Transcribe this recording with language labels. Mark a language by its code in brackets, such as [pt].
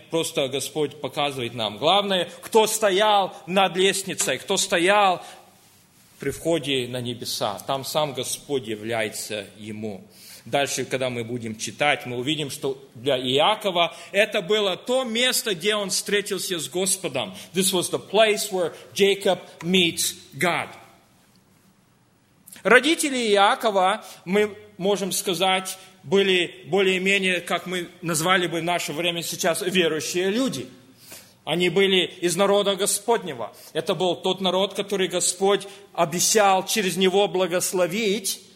[ru] Просто Господь показывает нам. Главное, кто стоял над лестницей, кто стоял при входе на небеса. Там сам Господь является Ему. Дальше, когда мы будем читать, мы увидим, что для Иакова это было то место, где он встретился с Господом. [en] This was the place where Jacob meets God. [ru] Родители Иакова, мы можем сказать, были более-менее, как мы назвали бы в наше время сейчас, верующие люди. Они были из народа Господнего. Это был тот народ, который Господь обещал через него благословить.